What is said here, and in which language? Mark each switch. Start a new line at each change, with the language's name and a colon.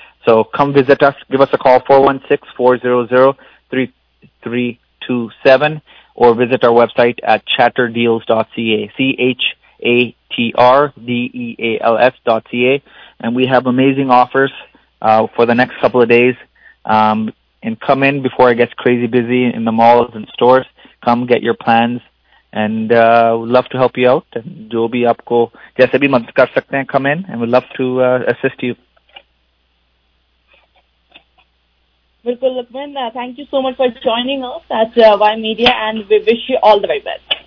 English: So come visit us. Give us a call, 416-400-3327, or visit our website at chatterdeals.ca, chatterdeals.ca. And we have amazing offers for the next couple of days. And come in before it gets crazy busy in the malls and stores. Come get your plans. And we'd love to help you out.
Hindi: जो भी आपको जैसे भी मदद कर सकते हैं,
English: come in. And we'd love to assist you. Bilkul Lakman, thank you so much for joining us at Y Media. And we wish you all the very best.